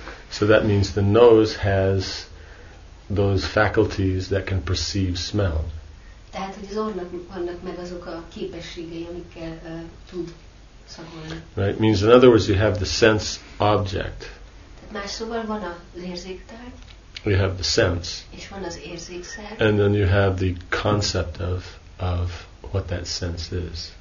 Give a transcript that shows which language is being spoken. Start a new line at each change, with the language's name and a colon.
English: So that means the nose has those faculties that can perceive smell.
Hungarian: Tehát, hogy az orrnak vannak meg azok a képességei, amikkel tud szagolni.
English: Right? Means, in other words, you have the sense object.
Hungarian: Tehát más szóval van az érzéktárgy.
English: You have the sense.
Hungarian: És van az érzékszer.
English: And then you have the concept of what that sense is.